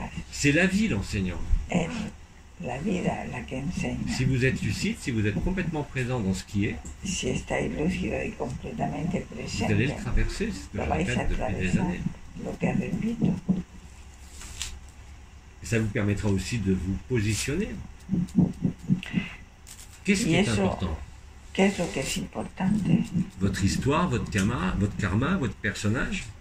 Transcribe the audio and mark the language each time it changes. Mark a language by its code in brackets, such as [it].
[fr] C'est la vie, l'enseignant. [es] La vida, la que enseigne. [fr] Si vous êtes lucide, si vous êtes complètement présent dans ce qui est, [es] si estáis lúcido y completamente presente, [fr] vous allez le traverser, ce que je répète depuis des années. [es] Lo que repito. [fr] Et ça vous permettra aussi de vous positionner. Qu'est-ce qui est important? Qu'est-ce qui est important? Votre histoire, votre karma, votre personnage?